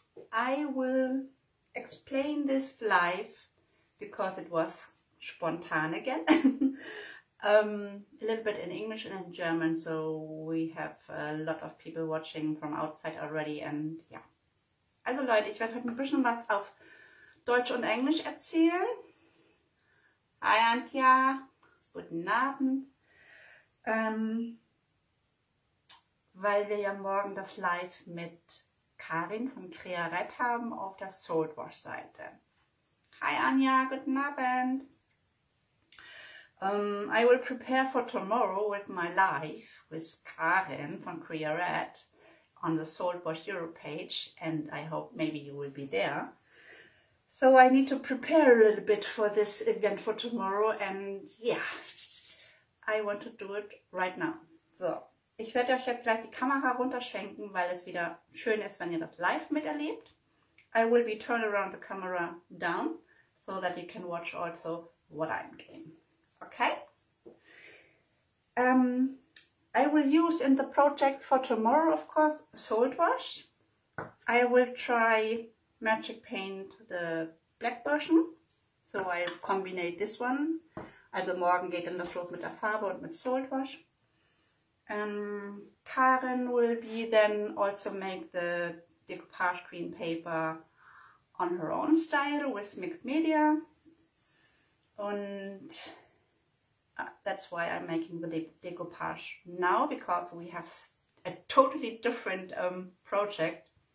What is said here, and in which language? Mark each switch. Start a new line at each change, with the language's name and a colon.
English: I will explain this live because it was spontan again. a little bit in English and in German, so we have a lot of people watching from outside already and yeah.
German: Also Leute, ich werde heute ein bisschen was auf Deutsch und Englisch erzählen. Hi Antja. Guten Abend, weil wir ja morgen das Live mit Karin von Crearet haben auf der Soulwash-Seite. Hi Anja, guten Abend.
English: I will prepare for tomorrow with my Live with Karin von Crearet on the Soulwash Europe page and I hope maybe you will be there. So I need to prepare a little bit for this event for tomorrow and yeah. I want to do it right now.
German: So, ich werde euch jetzt gleich die Kamera runterschwenken, weil es wieder schön ist, wenn ihr das live miterlebt.
English: I will be turned around the camera down, so that you can watch also what I'm doing. Okay? I will use in the project for tomorrow, of course, Soulwash. I will try Magic Paint, the black version. So I'll combine this one.
German: Also morgen geht dann das los mit der Farbe und mit Soulwash.
English: Karin will be then also make the decoupage green paper on her own style with mixed media. And that's why I'm making the decoupage now, because we have a totally different project.